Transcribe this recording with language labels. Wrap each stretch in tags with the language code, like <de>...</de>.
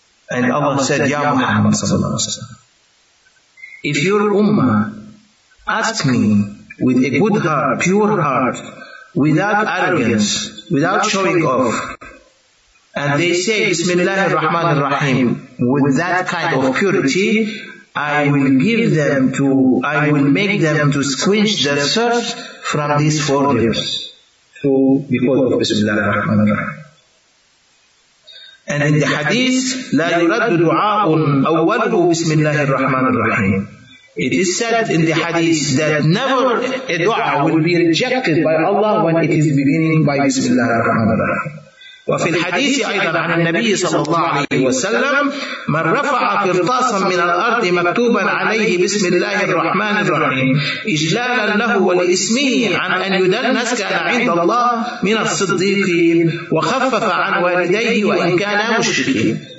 <en>And Allah said,</en> <ar>يَا مُحَمَّدْ صَلَّى اللَّهُ عَلَيْهِ وَسَلَّمَ,</ar> <en>if your ummah asks me with a good heart, pure heart, without arrogance, without showing off, and they say Bismillah ar-Rahman ar-Rahim with that kind of purity, I will make them to squinch their thirst from these four rivers. So, because of Bismillah ar-Rahman ar-Rahim. And in the hadith,</en> <ar>لا يرد دعاء أوله بسم الله الرحمن الرحيم.</ar> <en>It is said in the hadith that never a dua will be rejected by Allah when it is beginning by Bismillah ar-Rahman ar-Rahim.</en> <ar>وفي الحديث أيضا عن النبي صلى الله عليه وسلم, من رفع قرطاسا من الأرض مكتوبا عليه بسم الله الرحمن الرحيم إجلالا له ولإسمه عن أن يدنس كان عند الله من الصديقين وخفف عن والديه وإن كان مشركين.</ar>